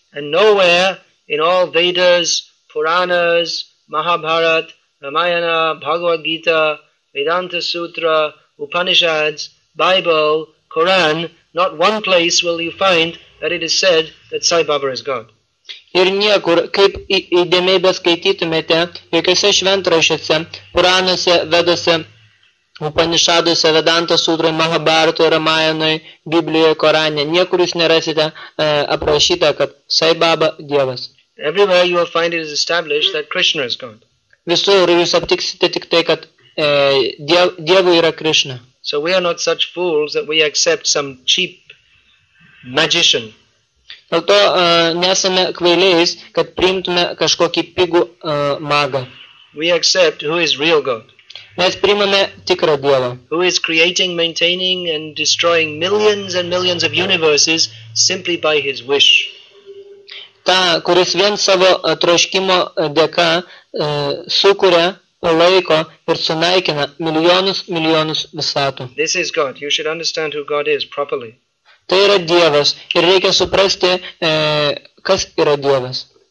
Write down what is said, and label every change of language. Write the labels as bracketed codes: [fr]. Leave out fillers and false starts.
[en] And nowhere in all Vedas, Puranas, Mahabharat, Ramayana, Bhagavad Gita, Vedanta Sutra, Upanishads, Bible, Quran, not one place will you find that it is said that Sai Baba is God. [lt] Ir niekur, kaip įdėmiai beskaitytumėte, jokiuose šventrašiuose, Puranuose, Vedose, Upanishaduose, Vedanta Sutroje, Mahabharatoje, Ramayanoje, Biblijoje, Korane, niekur jūs nerasite aprašyta, kad Sai Baba Dievas. [en] Everywhere you will find it is established that Krishna is God. [lt] Visur jūs aptiksite tik tai, kad Dievui yra Krishna. [en] So we are not such fools that we accept some cheap magician. [lt] Dėl to nesame kvailiais, kad priimtume kažkokį pigų magą. [en] We accept who is real God. [lt] Mes priimame tikrą Dievą. [en] Who is creating, maintaining and destroying millions and millions of universes simply by his wish. [lt] Ta, kuris vien savo troškimo dėka sukuria, palaiko ir sunaikina milijonus, milijonus visatų. [en] This is God. You should understand who God is properly. [lt] Tai yra Dievas. Ir reikia suprasti, kas yra Dievas.